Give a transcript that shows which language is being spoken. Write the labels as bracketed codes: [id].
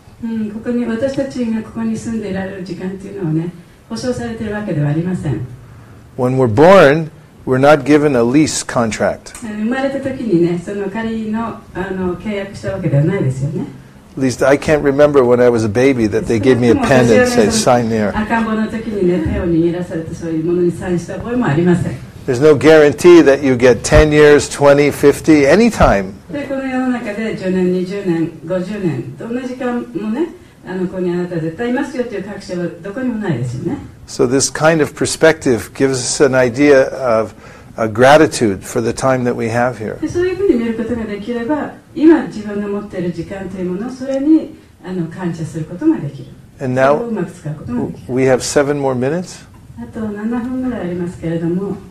[ja] ここに私たちがここに住んでいられる時間というのはね、保証されているわけではありません。 [en] When we're born, we're not given a lease contract. [ja] 生まれた時にね、その仮の、あの、契約したわけではないですよね。 [en] At least I can't remember when I was a baby that they gave me a pen and said, sign there. [ja] 赤ん坊の時にね、手を握らされてそういうものにサインした覚えもありません。 [en] There's no guarantee that you get 10 years, 20, 50, any time. [ja] で、この世の中で10年、20年、50年、どんな時間もね、あの、ここにあなた絶対いますよという確証はどこにもないですよね。 [en] So this kind of perspective gives us an idea of a gratitude for the time that we have here. [ja] そういうふうに見ることができれば、今自分の持っている時間というものをそれにあの感謝することができる。 [en] And now we have 7 more minutes. [ja] あと7分ぐらいありますけれども。